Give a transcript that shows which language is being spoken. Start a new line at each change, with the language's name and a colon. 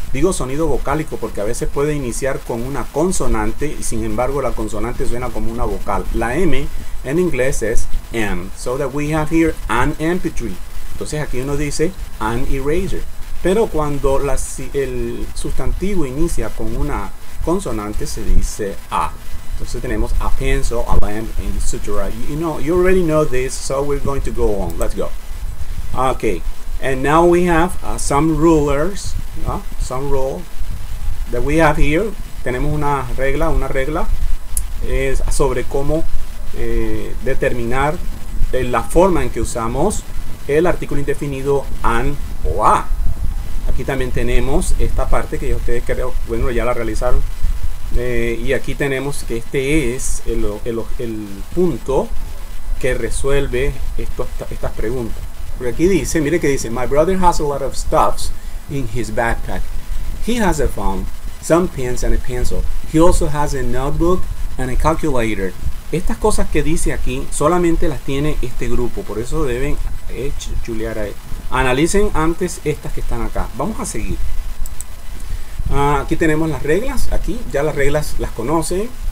Spanish: Digo sonido vocálico porque a veces puede iniciar con una consonante y sin embargo la consonante suena como una vocal. La M en inglés es M.
English: So that we have here an MP3.
Spanish: Entonces aquí uno dice
English: an eraser.
Spanish: Pero cuando el sustantivo inicia con una consonante se dice A. Entonces tenemos
English: a pencil, a lamp, and etc. You already know this, so we're going to go on. Let's go. Okay, and now we have some rulers, some rule that we have here.
Spanish: Tenemos una regla es sobre cómo determinar la forma en que usamos el artículo indefinido an o a. Aquí también tenemos esta parte que ustedes creo, bueno, ya la realizaron. Y aquí tenemos que este es el punto que resuelve estas preguntas. Porque aquí dice, mire que dice,
English: my brother has a lot of stuffs in his backpack. He has a phone, some pens and a pencil. He also has a notebook and a calculator.
Spanish: Estas cosas que dice aquí solamente las tiene este grupo. Por eso deben chulear ahí. Analicen antes estas que están acá. Vamos a seguir. Aquí tenemos las reglas, aquí ya las reglas las conocen.